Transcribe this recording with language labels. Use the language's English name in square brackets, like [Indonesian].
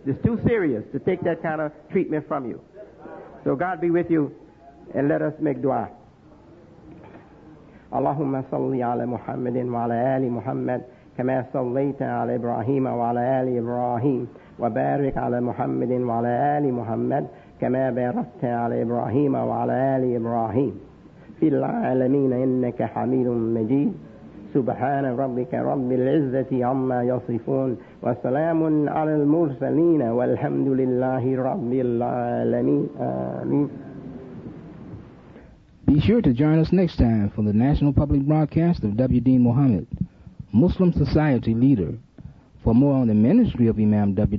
[English] It's too serious to take that kind of treatment from you. So God be with you, and let us make dua. [Arabic] Allahumma salli ala Muhammadin wa ala ali Muhammad, kama sallaita ala Ibrahim wa ala ali Ibrahim, wa barik ala Muhammadin wa ala ali Muhammad, كما باركت على إبراهيم وعلى آل إبراهيم في العالمين إنك حميد مجيد سبحان ربك رب العزة عما يصفون وسلام على المرسلين والحمد لله رب العالمين آمين. [English] Be sure to join us next time for the National Public Broadcast of W. Dean Muhammad, Muslim Society Leader. For more on the ministry of Imam W.